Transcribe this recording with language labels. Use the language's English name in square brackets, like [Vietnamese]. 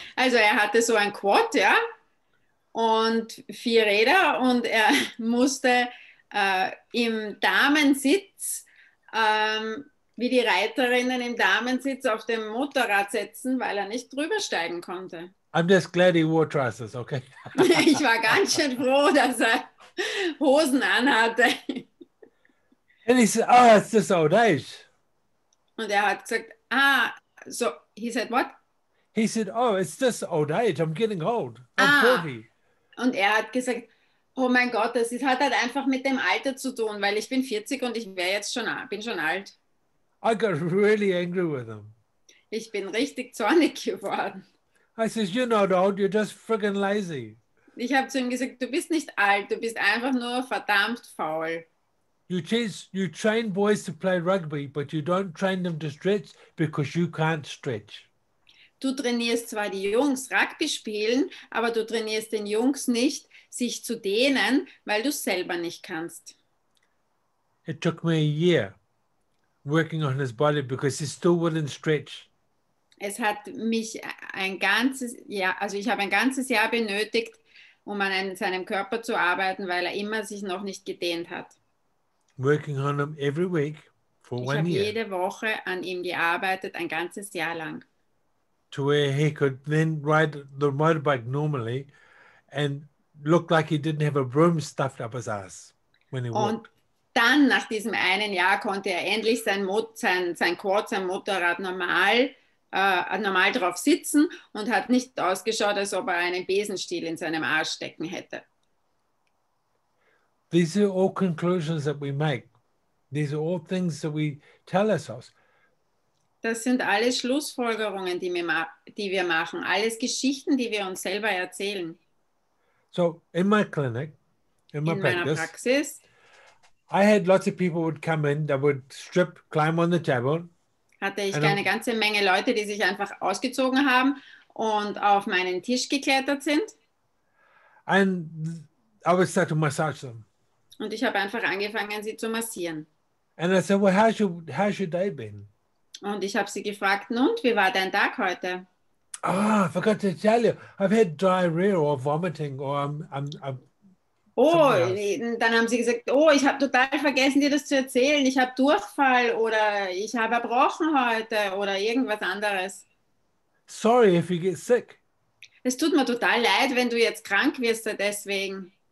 [German] Also er hatte so ein Quad, ja, und 4 Räder und er musste im Damensitz, wie die Reiterinnen im Damensitz auf dem Motorrad sitzen, weil er nicht drüber steigen konnte. [English] I'm just glad he wore trousers, okay? [German] Ich war ganz schön froh, dass er Hosen anhatte. [English] And he said, oh, it's just old age. [German] Und er hat gesagt, ah, so, [English] he said what? He said, oh, it's just old age, I'm getting old, I'm 40. [German] Und er hat gesagt, oh mein Gott, das hat halt einfach mit dem Alter zu tun, weil ich bin 40 und ich wäre jetzt schon, bin schon alt. [English] I got really angry with him. [German] Ich bin richtig zornig geworden. [English] I said, you're not old, you're just friggin' lazy. [German] Ich habe zu ihm gesagt, du bist nicht alt, du bist einfach nur verdammt faul. [English] You train boys to play rugby, but you don't train them to stretch because you can't stretch. [German] Du trainierst zwar die Jungs Rugby spielen, aber du trainierst den Jungs nicht, sich zu dehnen, weil du selber nicht kannst. [English] It took me a year working on his body because he still wouldn't stretch. [German] Es hat mich ein ganzes Jahr, also ich habe ein ganzes Jahr benötigt, um an seinem Körper zu arbeiten, weil er immer sich noch nicht gedehnt hat. [English] Working on him every week for [German] ich [English] one year. [German] Ich habe jede Woche an ihm gearbeitet, ein ganzes Jahr lang. [English] To where he could then ride the motorbike normally and look like he didn't have a broom stuffed up his ass when he walked. [German] Und dann, nach diesem einen Jahr, konnte er endlich sein Motorrad normal drauf sitzen und hat nicht ausgeschaut, als ob er einen Besenstiel in seinem Arsch stecken hätte. [English] These are all conclusions that we make. These are all things that we tell ourselves. [German] Das sind alles Schlussfolgerungen, die wir machen, alles Geschichten, die wir uns selber erzählen. [English] So, in my clinic, in my [German] Praxis, [English] I had lots of people would come in, that would strip, climb on the table. [German] Hatte ich eine ganze Menge Leute, die sich einfach ausgezogen haben und auf meinen Tisch geklettert sind. [English] And I would start to massage them. [German] Und ich habe einfach angefangen, sie zu massieren. [English] And I said, well, how's your day been? [German] Und ich habe sie gefragt, nun, wie war dein Tag heute? [English] Ah, I forgot to tell you, I've had diarrhea or vomiting or I'm [German] oh, dann haben sie gesagt, oh, ich habe total vergessen, dir das zu erzählen. Ich habe Durchfall oder ich habe erbrochen heute oder irgendwas anderes. [English] Sorry if you get sick. [German] Es tut mir total leid, wenn du jetzt krank wirst deswegen.